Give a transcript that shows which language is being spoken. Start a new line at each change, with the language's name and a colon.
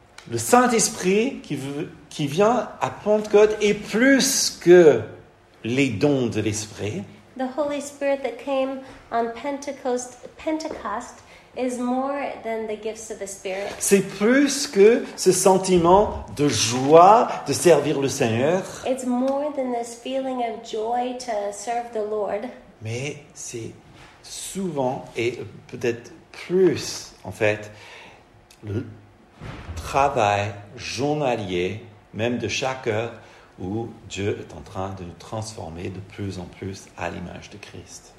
French: Le Saint-Esprit qui vient à Pentecôte est plus que les dons de l'Esprit.
English: The Holy Spirit that came on Pentecost is more than the gifts of the Spirit.
French: C'est plus que ce sentiment de joie de servir le Seigneur.
English: It's more than this feeling of joy to serve the Lord.
French: Mais c'est souvent et peut-être plus en fait le travail journalier, même de chaque heure, où Dieu est en train de nous transformer de plus en plus à l'image de Christ.